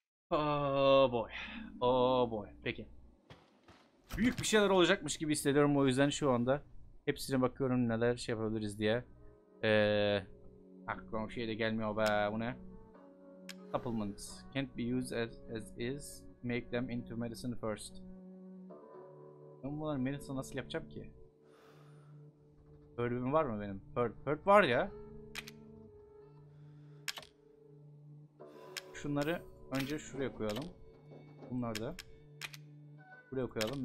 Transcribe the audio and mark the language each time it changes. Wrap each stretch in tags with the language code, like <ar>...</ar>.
<en>Oh boy.</en> <tr>Peki. büyük bir şeyler olacakmış gibi hissediyorum, o yüzden şu anda hepsine bakıyorum neler şey yapabiliriz diye. Aklıma bir şey de gelmiyor be, bu ne?</tr> <en>Supplements can't be used as is, make them into medicine first.</en> <tr>Ben bunları medicine nasıl yapacağım ki? Herb'im var mı benim? Herb var ya. Şunları önce şuraya koyalım. Bunları da buraya koyalım.</tr>